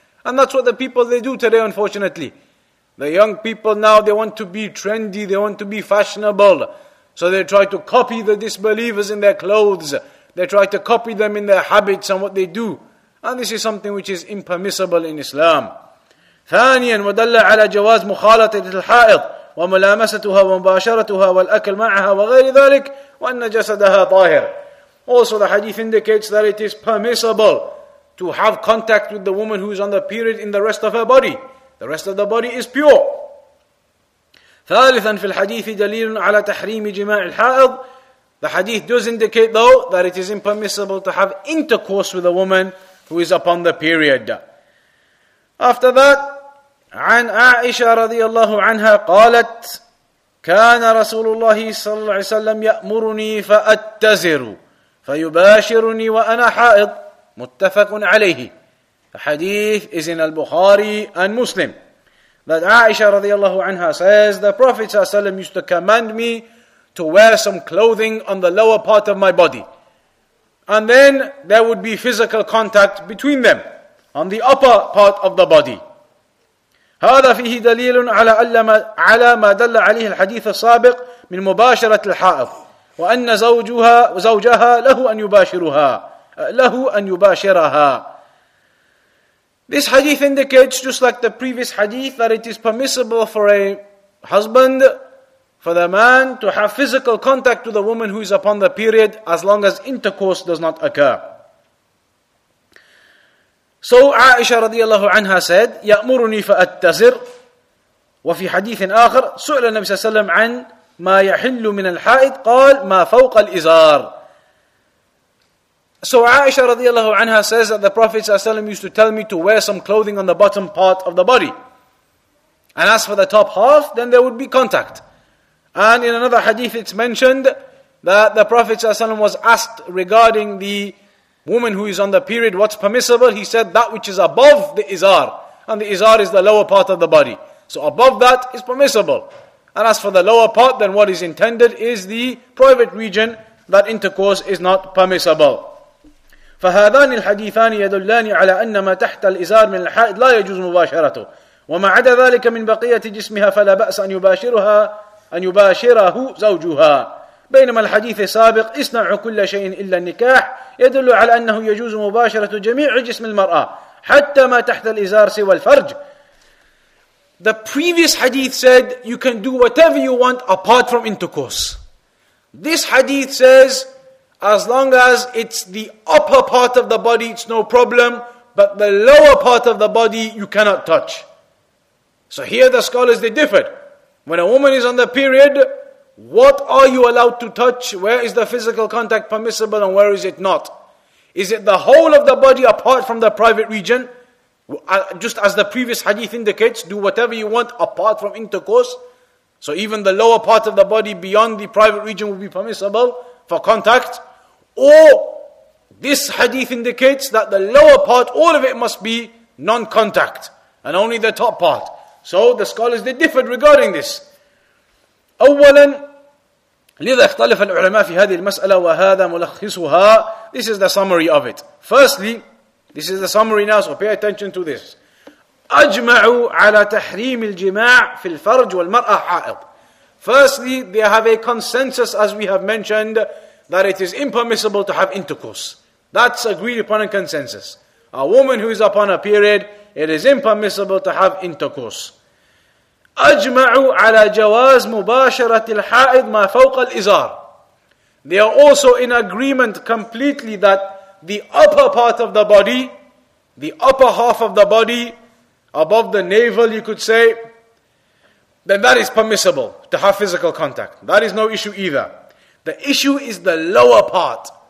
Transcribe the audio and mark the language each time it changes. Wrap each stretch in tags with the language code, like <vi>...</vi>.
<en>And that's what the people they do today, unfortunately. The young people now, they want to be trendy, they want to be fashionable. So they try to copy the disbelievers in their clothes. They try to copy them in their habits and what they do. And this is something which is impermissible in Islam.</en> <ar>ثانياً ودل على جواز مخالطة الحائض وملامستها ومباشرتها والأكل معها وغير ذلك وأن جسدها طاهر.</ar> <en>Also the hadith indicates that it is permissible to have contact with the woman who is on the period in the rest of her body. The rest of the body is pure.</en> <ar>ثالثاً في الحديث دليل على تحريم جماع الحائض.</ar> <en>The hadith does indicate though that it is impermissible to have intercourse with a woman who is upon the period. After that,</en> <ar>عن عائشة رضي الله عنها قالت كان رسول الله صلى الله عليه وسلم يأمرني فأتزر فيباشرني وأنا حائض. متفق عليه.</ar> <en>The hadith is in al-Bukhari and Muslim. That Aisha radiallahu anha says, the Prophet ﷺ used to command me to wear some clothing on the lower part of my body. And then there would be physical contact between them on the upper part of the body.</en> <ar>هذا فيه دليل على ما دل عليه الحديث السابق من مباشرة الحائض وأن زوجها له أن يباشرها. لَهُ أَنْ يُبَاشِرَهَا.</ar> <en>This hadith indicates, just like the previous hadith, that it is permissible for a husband, for the man, to have physical contact with the woman who is upon the period, as long as intercourse does not occur. So Aisha radiallahu anha said,</en> <ar>يَأْمُرُنِي فَأَتَّزِرْ. وفي حديث آخر سُئل النبي صلى الله عليه وسلم عن ما يَحِلُّ مِنَ الْحَائِدْ قال مَا فَوْقَ الْإِزَارِ.</ar> <en>So Aisha radiallahu anha says that the Prophet ﷺ used to tell me to wear some clothing on the bottom part of the body. And as for the top half, then there would be contact. And in another hadith it's mentioned that the Prophet ﷺ was asked regarding the woman who is on the period, what's permissible? He said that which is above the izar. And the izar is the lower part of the body. So above that is permissible. And as for the lower part, then what is intended is the private region, that intercourse is not permissible.</en> <ar>فهذان الحديثان يدلان على أن ما تحت الإزار من الحائض لا يجوز مباشرته وما عدا ذلك من بقية جسمها فلا بأس أن يباشرها أن يباشره زوجها بينما الحديث السابق اصنع كل شيء إلا النكاح يدل على أنه يجوز مباشرة جميع جسم المرأة حتى ما تحت الإزار سوى الفرج.</ar> <en>The previous hadith said you can do whatever you want apart from intercourse. This hadith says as long as it's the upper part of the body, it's no problem, but the lower part of the body, you cannot touch. So here the scholars, they differed. When a woman is on the period, what are you allowed to touch? Where is the physical contact permissible and where is it not? Is it the whole of the body apart from the private region? Just as the previous hadith indicates, do whatever you want apart from intercourse. So even the lower part of the body beyond the private region will be permissible for contact. Or this hadith indicates that the lower part, all of it must be non-contact and only the top part. So the scholars, they differed regarding this.</en> <ar>أولا لذا اختلف العلماء في هذه المسألة وهذا ملخصها.</ar> <en>This is the summary of it. Firstly, this is the summary now, so pay attention to this.</en> <ar>أجمعوا على تحريم الجماع في الفرج والمرأة حائض.</ar> <en>Firstly, they have a consensus, as we have mentioned, that it is impermissible to have intercourse. That's agreed upon a consensus. A woman who is upon a period, it is impermissible to have intercourse.</en> <ar>أجمعوا على جواز مباشرة الحائض ما فوق الإزار.</ar> <en>They are also in agreement completely that the upper part of the body, the upper half of the body, above the navel you could say, then that is permissible to have physical contact. That is no issue either. The issue is the lower part.</en>